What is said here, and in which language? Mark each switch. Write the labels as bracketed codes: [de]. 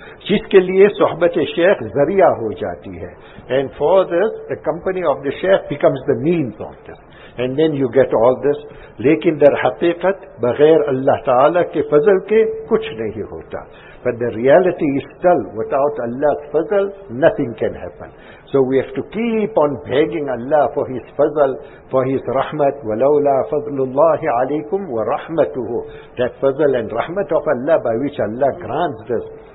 [ur] جس کے لیے صحبت شیخ ذریعہ ہو جاتی ہے. [en] And for this the company of the sheikh becomes the means of this and then you get all this. [ur] لیکن در حقیقت بغیر اللہ تعالی کے فضل کے کچھ نہیں ہوتا. [en] But the reality is still, without Allah's fazl, nothing can happen. So we have to keep on begging Allah for His fazl, for His rahmat. [ar] وَلَوْلَا فَضْلُ اللَّهِ عَلَيْكُمْ وَرَحْمَتُهُ. [en] That fazl and rahmat of Allah by which Allah grants this.